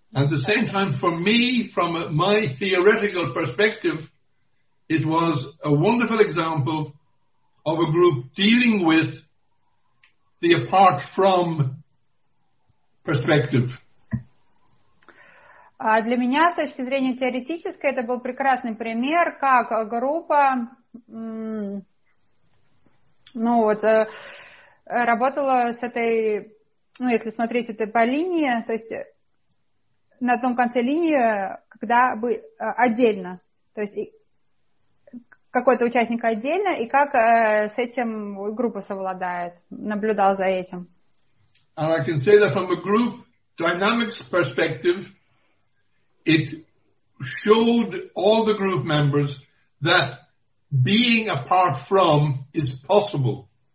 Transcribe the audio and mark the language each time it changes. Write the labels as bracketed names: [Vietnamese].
[English] At the same time, for me, from my theoretical perspective, it was a wonderful example of a group dealing with the apart from perspective. [Russian] Для меня, с точки зрения теоретической, это был прекрасный пример, как группа ну, вот, работала с этой, ну, если смотреть это по линии, то есть на том конце линии, когда бы отдельно, то есть какой-то участник отдельно, и как с этим группа совладает, наблюдал за этим. [English] And I can say that from a group dynamics perspective, it showed all the group members that being apart from is possible.